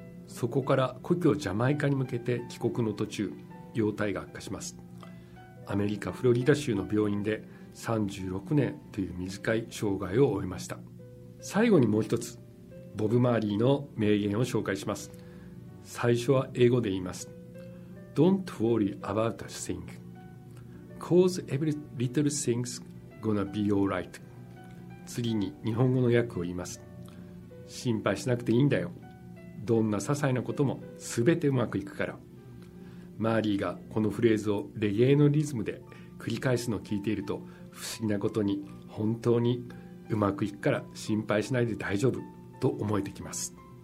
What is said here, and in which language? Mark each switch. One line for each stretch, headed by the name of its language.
Japanese: そこから故郷ジャマイカに向けて帰国の途中、容態が悪化します。アメリカフロリダ州の病院で36年という短い生涯を終えました。最後にもう一つボブ・マーリーの名言を紹介します。最初は英語で言います。
English: Don't worry about a thing, cause every little thing's gonna be alright.
Japanese: 次に日本語の訳を言います。心配しなくていいんだよ、どんな些細なこともすべてうまくいくから。マーリーがこのフレーズをレゲエのリズムで繰り返すのを聞いていると、不思議なことに本当にうまくいくから心配しないで大丈夫と思えてきます。